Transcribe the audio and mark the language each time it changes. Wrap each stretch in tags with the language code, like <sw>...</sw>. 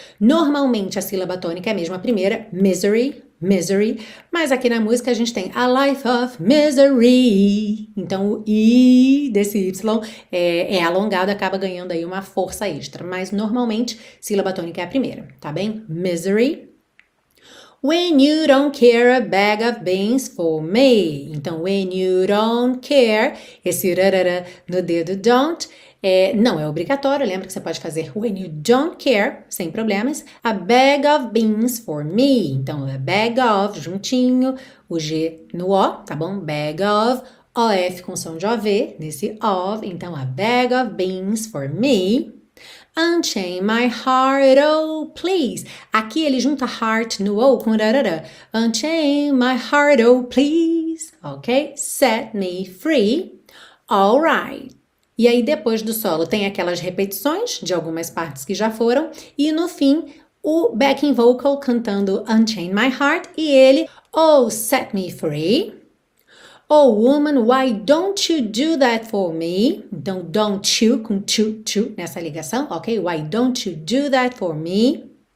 <pt>Normalmente a sílaba tônica é mesmo a primeira, misery, misery. Mas aqui na música a gente tem a life of misery. Então o I desse Y é alongado, acaba ganhando aí uma força extra. Mas normalmente sílaba tônica é a primeira, tá bem? Misery.</pt> <en>When you don't care a bag of beans for me.</en> <pt>Então</pt> <en>when you don't care,</en> <pt>esse rarara no dedo don't. Não é obrigatório, lembra que você pode fazer</pt> <en>when you don't care,</en> <pt>sem problemas,</pt> <en>a bag of beans for me.</en> <pt>Então, a bag of, juntinho, o G no O, tá bom? Bag of, OF com som de OV, nesse of, então a bag of beans for me.</pt> <en>Unchain my heart, oh please.</en> <pt>Aqui ele junta heart no O com rarara.</pt> <en>Unchain my heart, oh please. Ok? Set me free. All right.</en> <pt>E aí, depois do solo, tem aquelas repetições de algumas partes que já foram. E no fim, o backing vocal cantando Unchain My Heart. E ele,</pt> <en>oh, set me free. Oh, woman, why don't you do that for me?</en> <pt>Então, don't you com to nessa ligação, ok?</pt> <en>Why don't you do that for me?</en>